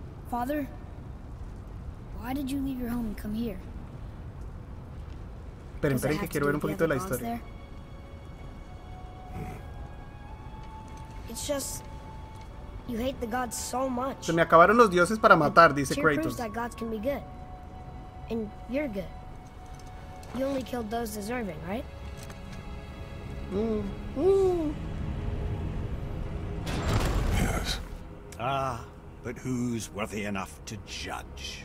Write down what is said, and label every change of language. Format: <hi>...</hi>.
<en>Father, why did you leave your home and come here?</en> <es>Pero esperen que quiero ver un poquito de la historia.</es> <en>It's just you hate the gods so much.</en> <es>Se me acabaron los dioses para matar, dice Kratos.</es> <en>That gods can be good, and you're good. You only killed those deserving, right? Yes. Ah, but who's worthy enough to judge?</en>